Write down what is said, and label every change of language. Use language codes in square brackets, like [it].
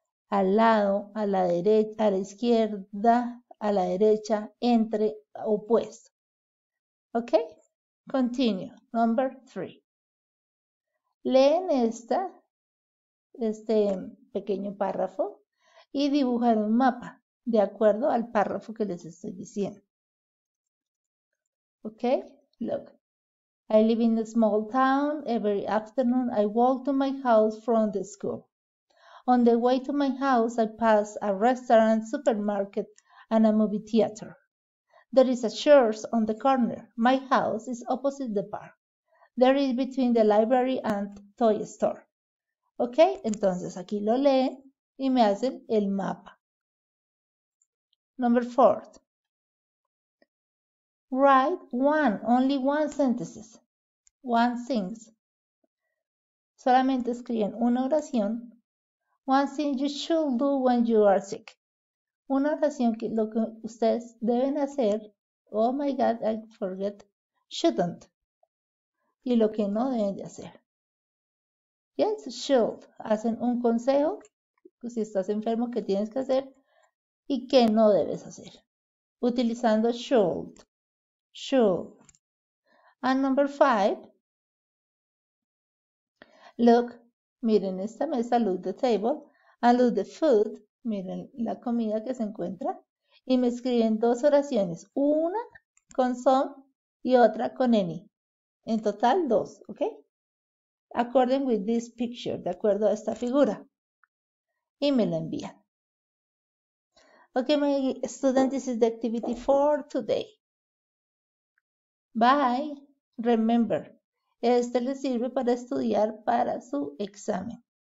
[es] Al lado, a la derecha, a la izquierda, a la derecha, entre, opuesto. ¿Ok? Continue. Number three. Leen este pequeño párrafo y dibujan un mapa de acuerdo al párrafo que les estoy diciendo. Ok, look. [en] I live in a small town. Every afternoon I walk to my house from the school. On the way to my house, I pass a restaurant, supermarket, and a movie theater. There is a church on the corner. My house is opposite the park. There is between the library and toy store. [es] Ok, entonces aquí lo leen y me hacen el mapa. [en] Number four. Write one, only one sentences. One things. [es] Solamente escriben una oración. [en] One thing you should do when you are sick. [es] Una oración que lo que ustedes deben hacer. [en] Oh my God, I forget. Shouldn't. Y lo que no deben de hacer. Yes, should. [es] Hacen un consejo. Pues si estás enfermo, ¿qué tienes que hacer? Y qué no debes hacer. Utilizando should. Should. And number five. Look. Miren esta mesa, look the table, and look the food, miren la comida que se encuentra, y me escriben dos oraciones, una con some y otra con any. En total, dos, ¿ok? According with this picture, de acuerdo a esta figura. Y me la envían. [en] Ok, my student, this is the activity for today. Bye, remember. [es] Este le sirve para estudiar para su examen.